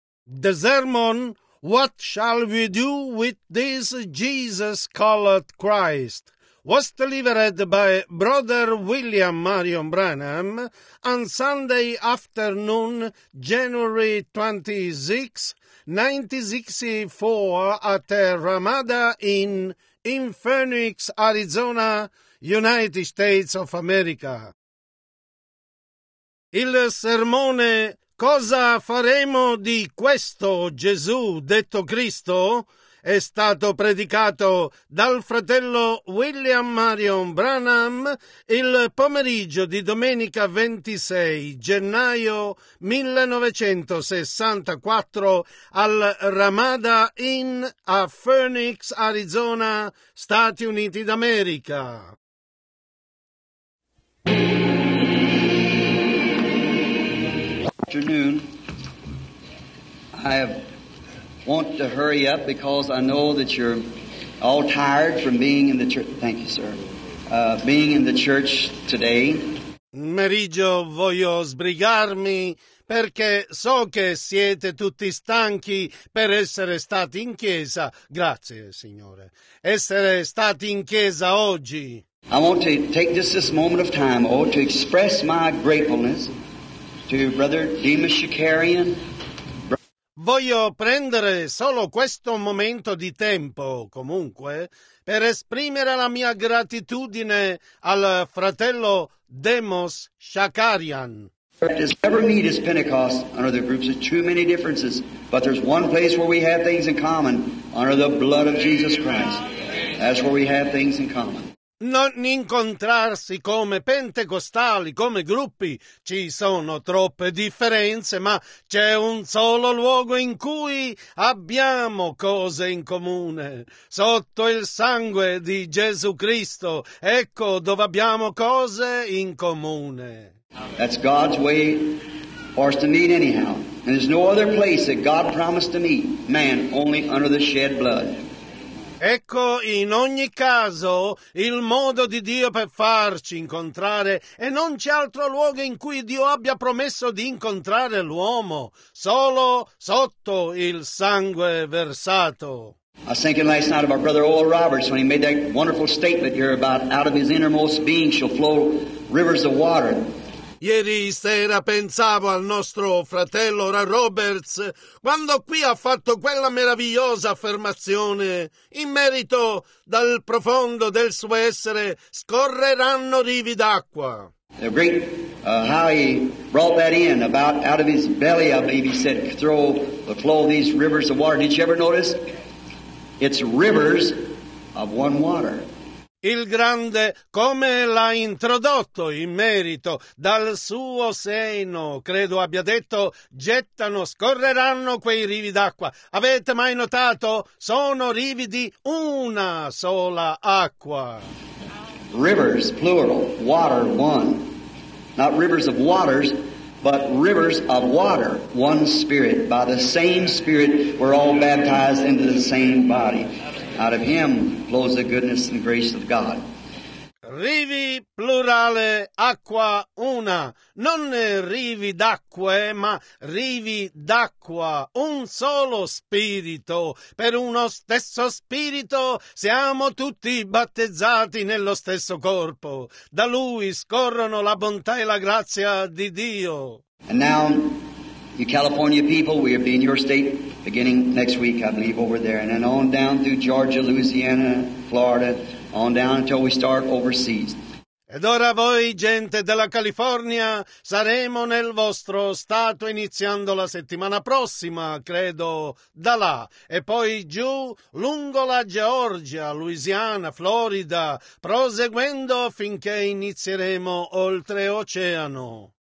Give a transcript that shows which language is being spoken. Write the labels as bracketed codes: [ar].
[en] The sermon, What Shall We Do With This Jesus Called Christ?, was delivered by Brother William Marion Branham on Sunday afternoon, January 26, 1964, at Ramada Inn in Phoenix, Arizona, United States of America. [it] Il sermone Cosa faremo di questo Gesù detto Cristo? È stato predicato dal fratello William Marion Branham il pomeriggio di domenica 26 gennaio 1964 al Ramada Inn a Phoenix, Arizona, Stati Uniti d'America. [en] Afternoon. I want to hurry up because I know that you're all tired from being in the church. Thank you, sir. Being in the church today. [it] Meriggio, voglio sbrigarmi perché so che siete tutti stanchi per essere stati in chiesa. Grazie, signore. Essere stati in chiesa oggi. [en] I want to take just this moment of time, oh, to express my gratefulness to Brother Demas Shakarian. [it] Voglio prendere solo questo momento di tempo, comunque, per esprimere la mia gratitudine al fratello Demos Shakarian. [en] Does ever meet as Pentecost under the groups of too many differences, but there's one place where we have things in common, under the blood of Jesus Christ. That's where we have things in common. [it] Non incontrarsi come pentecostali, come gruppi, ci sono troppe differenze, ma c'è un solo luogo in cui abbiamo cose in comune, sotto il sangue di Gesù Cristo, ecco dove abbiamo cose in comune. [en] That's God's way for us to meet anyhow, and there's no other place that God promised to meet man only under the shed blood. [it] Ecco, in ogni caso, il modo di Dio per farci incontrare, e non c'è altro luogo in cui Dio abbia promesso di incontrare l'uomo, solo sotto il sangue versato. [en] I was thinking last night about Brother Oral Roberts when he made that wonderful statement here about out of his innermost being shall flow rivers of water. [it] Ieri sera pensavo al nostro fratello Roberts quando qui ha fatto quella meravigliosa affermazione in merito dal profondo del suo essere scorreranno rivi d'acqua. [en] How he brought that in about out of his belly, I believe he said, throw the flow of these rivers of water. Did you ever notice? It's rivers of one water. [it] Il grande come l'ha introdotto in merito dal suo seno, credo abbia detto, gettano, scorreranno quei rivi d'acqua. Avete mai notato? Sono rivi di una sola acqua. [en] Rivers, plural, water, one. Not rivers of waters, but rivers of water, one spirit. By the same spirit, we're all baptized into the same body. Out of him flows the goodness and grace of God. [it] Rivi plurale, acqua una. Non rivi d'acque, ma rivi d'acqua. Un solo spirito. Per uno stesso spirito siamo tutti battezzati nello stesso corpo. Da lui scorrono la bontà e la grazia di Dio. [en] And now, you California people, we'll be in your state beginning next week, I believe, over there. And then on down through Georgia, Louisiana, Florida, on down until we start overseas. [it] Ed ora voi, gente della California, saremo nel vostro stato iniziando la settimana prossima, credo, da là. E poi giù, lungo la Georgia, Louisiana, Florida, proseguendo finché inizieremo oltreoceano.